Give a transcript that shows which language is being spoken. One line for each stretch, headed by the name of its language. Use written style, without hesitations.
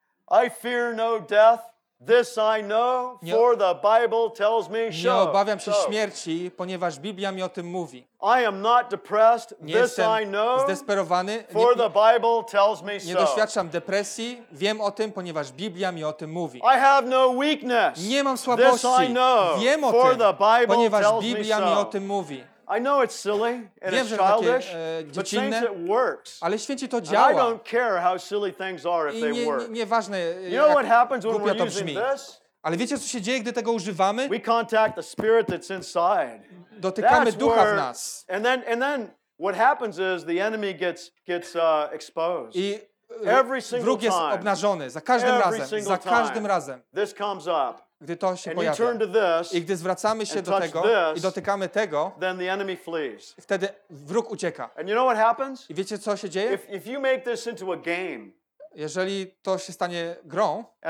English: I fear no death. This I know, for the Bible tells me so.
Polish: Nie obawiam się śmierci, ponieważ Biblia mi o tym mówi.
English: I am not depressed. This I know,
Polish: zdesperowany.
English: For the Bible tells me so.
Polish: Nie doświadczam depresji. Wiem o tym, ponieważ Biblia mi o tym mówi.
English: I have no weakness.
Polish: Nie mam słabości.
English: This I know,
Polish: wiem o tym, ponieważ Biblia mi o tym mówi.
English: I know it's silly and
Polish: wiem,
English: it's childish,
Polish: takie, dziecinne,
English: but it works.
Polish: Ale święci to działa.
English: And I don't care how silly things are if they work.
Polish: Nieważne,
English: you know what happens when we're using this?
Polish: Ale wiecie, co się dzieje, gdy tego używamy?
English: We contact the spirit that's inside.
Polish: Dotykamy ducha w nas.
English: And then what happens is the enemy gets exposed. Every single time.
Polish: Wróg jest obnażony za każdym
English: every
Polish: razem, za każdym razem.
English: This comes up.
Polish: Gdy to się pojawia i gdy zwracamy się do tego i dotykamy tego,
English: then the enemy flees.
Polish: Wtedy wróg ucieka.
English: And you know what happens?
Polish: I wiecie, co się dzieje?
English: If you make this into a game,
Polish: jeżeli to się stanie grą,